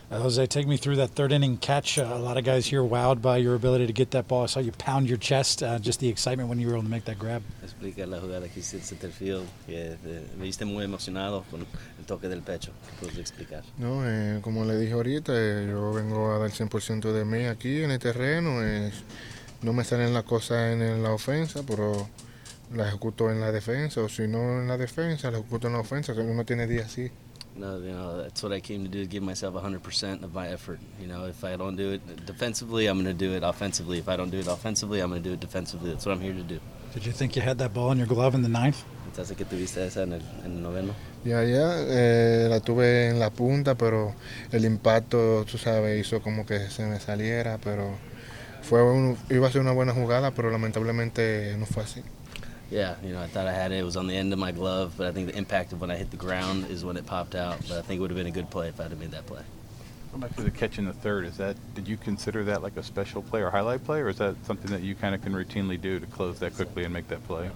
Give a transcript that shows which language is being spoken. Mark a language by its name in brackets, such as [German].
[English] Jose, take me through that third inning catch. A lot of guys here wowed by your ability to get that ball. I saw you pound your chest, just the excitement when you were able to make that grab. [Spanish] Explica la jugada que hiciste en center field. Me viste muy emocionado con el toque del pecho. ¿Qué puedes explicar? No, como le dije ahorita, yo vengo a dar 100% de mí aquí en el terreno. No me salen las cosas en la ofensa, pero la ejecuto en la defensa. O si no en la defensa, la ejecuto en la ofensa. Uno tiene días así. [English] No, you know, that's what I came to do, to give myself 100% of my effort. You know, if I don't do it defensively, I'm going to do it offensively. If I don't do it offensively, I'm going to do it defensively. That's what I'm here to do. Did you think you had that ball in your glove in the ninth? [Spanish] ¿Entonces que tuviste esa en el noveno? Yeah, la tuve en la punta, pero el impacto, tú sabes, hizo como que se me saliera, pero iba a ser una buena jugada, pero lamentablemente no fue así. [English] Yeah, you know, I thought I had it. It was on the end of my glove, but I think the impact of when I hit the ground is when it popped out. But I think it would have been a good play if I had made that play. Going back to the catch in the third, did you consider that like a special play or highlight play, or is that something that you kind of can routinely do to close that quickly and make that play?